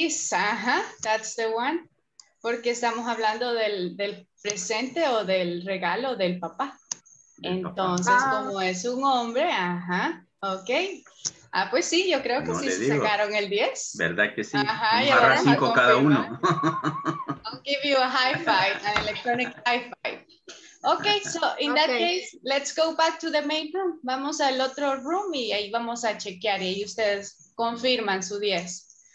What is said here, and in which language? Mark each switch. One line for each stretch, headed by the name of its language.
English: Ajá, that's the one.
Spanish: Porque estamos hablando del presente o del regalo del papá. Entonces, como es un hombre, ajá, ok. Pues sí, yo creo que no sí se sacaron el 10. ¿Verdad que sí? Ajá, ya ahora 5 cada uno.
English: I'll give you a high five, an electronic high five. Okay, so in that case, let's go back to the main room.
Spanish: Vamos al otro room y ahí vamos a chequear y ahí ustedes confirman su 10.